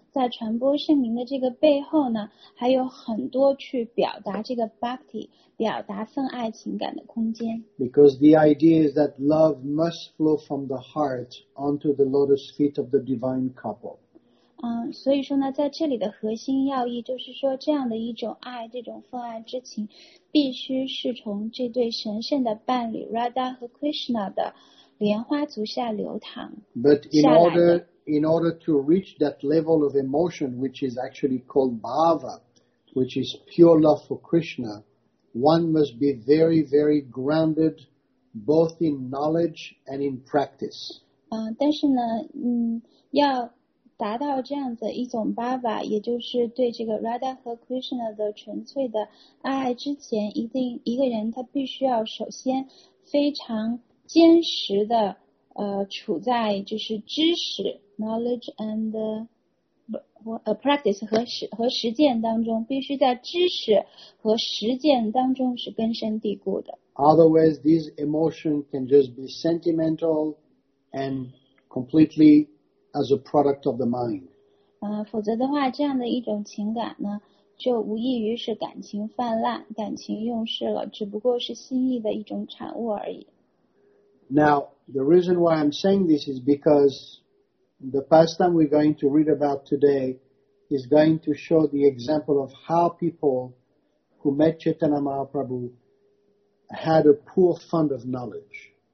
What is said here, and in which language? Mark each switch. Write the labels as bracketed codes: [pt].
[zh] 在传播圣名的这个背后呢，还有很多去表达这个 bhakti， 表达奉爱情感的空间。 [en] Because the idea is that love must flow from the heart onto the lotus feet of the divine couple. [zh] 所以说呢，在这里的核心要义就是说，这样的一种爱，这种奉爱之情，必须是从这对神圣的伴侣 Radha 和 Krishna 的莲花足下流淌下来的。 [en] But in order to reach that level of emotion, which is actually called bhava, which is pure love for Krishna, one must be very, very grounded, both in knowledge and in practice. [zh] 但是呢，要达到这样子一种 bhava， 也就是对这个 Radha 和 Krishna 的纯粹的爱之前，一定一个人他必须要首先非常坚实的处在就是知识。 [en] Knowledge and practice [zh] 和实践当中，必须在知识和实践当中是根深蒂固的。 [en] Otherwise, these emotions can just be sentimental and completely as a product of the mind. [zh] 否则的话，这样的一种情感呢，就无异于是感情泛滥、感情用事了，只不过是心意的一种产物而已。 [en] Now, the reason why I'm saying this is because the pastime we're going to read about today is going to show the example of how people who met Chaitanya Mahaprabhu had a poor fund of knowledge.